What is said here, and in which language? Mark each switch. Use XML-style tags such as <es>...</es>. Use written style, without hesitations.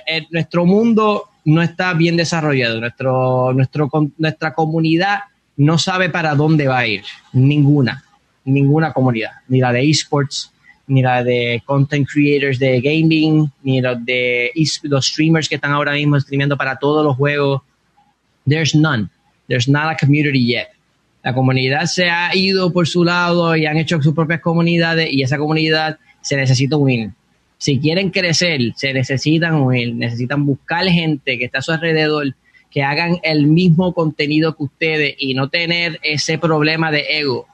<es>Nuestro mundo no está bien desarrollado, nuestra comunidad no sabe para dónde va a ir, ninguna comunidad, ni la de esports, ni la de content creators de gaming, ni los streamers que están ahora mismo streamiendo para todos los juegos.</es> <en>There's not a community yet.</en> <es>La comunidad se ha ido por su lado y han hecho sus propias comunidades, y esa comunidad se necesita unir. Si quieren crecer, se necesitan unir, necesitan buscar gente que está a su alrededor, que hagan el mismo contenido que ustedes y no tener ese problema de ego.</es>